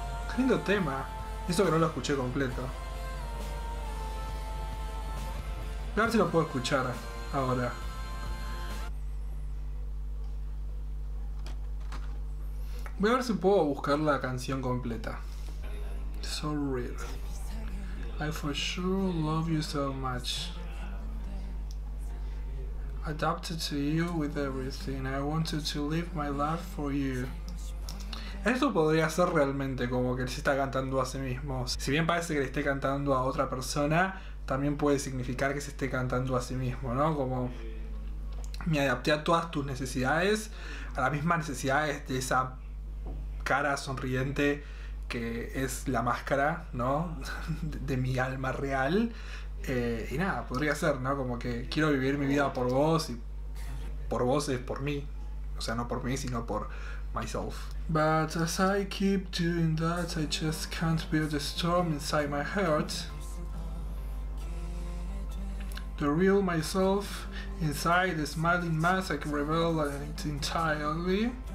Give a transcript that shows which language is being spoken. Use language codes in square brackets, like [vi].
[es] Qué lindo tema. Eso que no lo escuché completo. A ver si lo puedo escuchar ahora. Voy a ver si puedo buscar la canción completa. [en] So real. I for sure love you so much. Adapted to you with everything. I wanted to live my life for you. [es] Esto podría ser realmente como que él se está cantando a sí mismo. Si bien parece que le esté cantando a otra persona, también puede significar que se esté cantando a sí mismo, ¿no? Como Me adapté a todas tus necesidades, a las mismas necesidades de esa cara sonriente que es la máscara, ¿no? De mi alma real. Y nada, podría ser, ¿no? Como que quiero vivir mi vida por vos y por vos es por mí. O sea, no por mí, sino por myself. [en] But as I keep doing that, I just can't build a storm inside my heart. The real myself inside the smiling mask I can reveal it entirely.